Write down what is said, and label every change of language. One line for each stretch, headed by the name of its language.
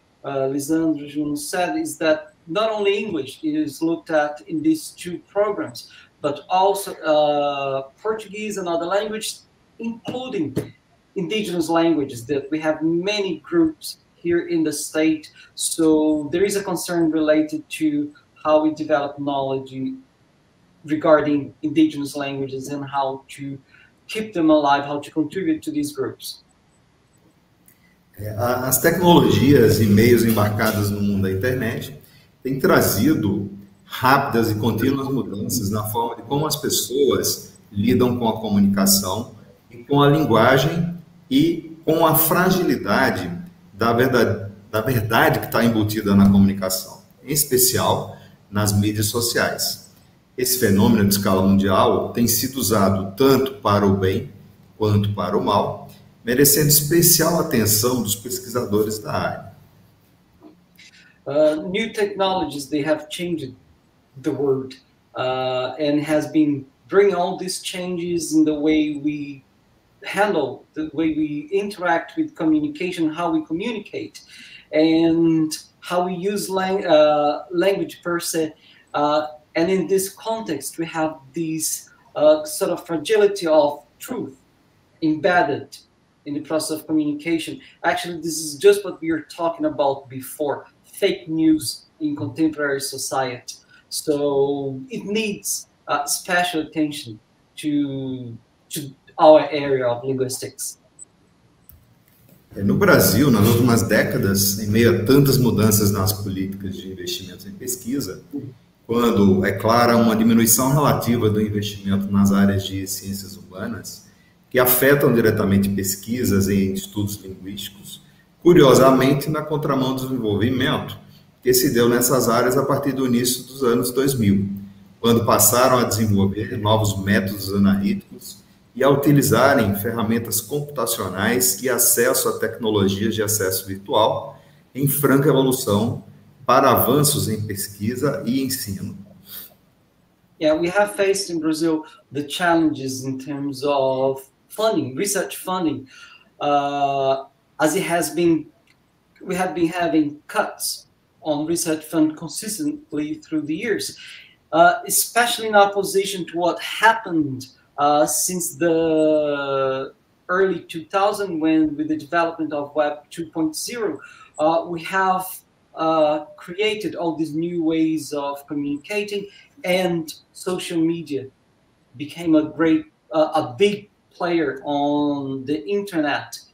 English: Lisandro Junos said, is that not only English is looked at in these two programs, but also Portuguese and other languages, including indigenous languages, that we have many groups here in the state. So there is a concern related to how we develop knowledge regarding indigenous languages and how to keep them alive, how to contribute to these groups.
Portuguese: As tecnologias e meios embarcados no mundo da internet têm trazido rápidas e contínuas mudanças na forma de como as pessoas lidam com a comunicação, com a linguagem e com a fragilidade da verdade que está embutida na comunicação, em especial nas mídias sociais. Esse fenômeno de escala mundial tem sido usado tanto para o bem quanto para o mal, merecendo especial atenção dos pesquisadores da área.
English: New technologies, they have changed the world and has been bringing all these changes in the way we handle, the way we interact with communication, how we communicate, and how we use language per se. And in this context, we have this sort of fragility of truth embedded in the process of communication. Actually, this is just what we were talking about before, fake news in contemporary society. So it needs special attention to our area of linguistics.
Portuguese: No Brasil, nas últimas décadas, em meio a tantas mudanças nas políticas de investimentos em pesquisa, quando é clara uma diminuição relativa do investimento nas áreas de ciências humanas, que afetam diretamente pesquisas e estudos linguísticos, curiosamente na contramão do desenvolvimento que se deu nessas áreas a partir do início dos anos 2000, quando passaram a desenvolver novos métodos analíticos e a utilizarem ferramentas computacionais e acesso a tecnologias de acesso virtual em franca evolução para avanços em pesquisa e ensino.
English: Yeah, we have faced in Brazil the challenges in terms of funding, research funding, as it has been, we have been having cuts on research fund consistently through the years, especially in opposition to what happened since the early 2000, when with the development of Web 2.0, we have created all these new ways of communicating, and social media became a great, a big player on the internet.